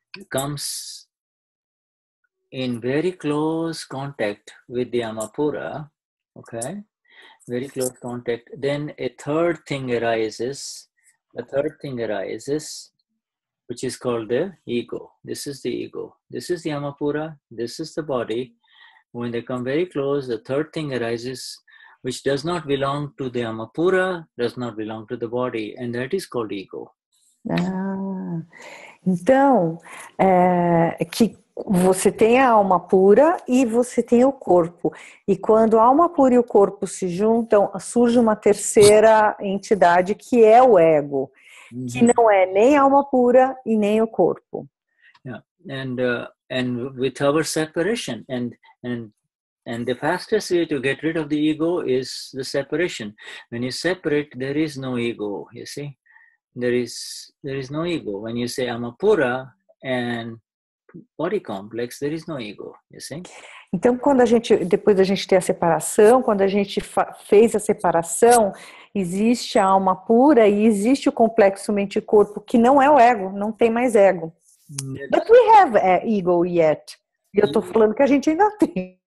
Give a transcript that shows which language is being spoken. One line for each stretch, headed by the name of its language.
English: comes in very close contact with the Amapura, okay, very close contact, then a third thing arises, which is called the ego. This is the ego. This is the Amapura. This is the body. When they come very close, the third thing arises, which does not belong to the Amapura, does not belong to the body, and that is called ego.
Portuguese: Então, que você tem a alma pura e você tem o corpo. E quando a alma pura e o corpo se juntam, surge uma terceira entidade que é o ego, que não é nem a alma pura e nem o corpo.
English: Yeah. And with our separation and the fastest way to get rid of the ego is the separation. When you separate, there is no ego, you see? There is no ego. When you say Amapura and body complex, there is no ego, you see?
Portuguese: Então, depois da gente ter a separação, quando a gente fez a separação, existe a alma pura e existe o complexo mente-corpo, que não é o ego, não tem mais ego.
English: But we have ego yet.
Portuguese: E eu tô falando que a gente ainda tem.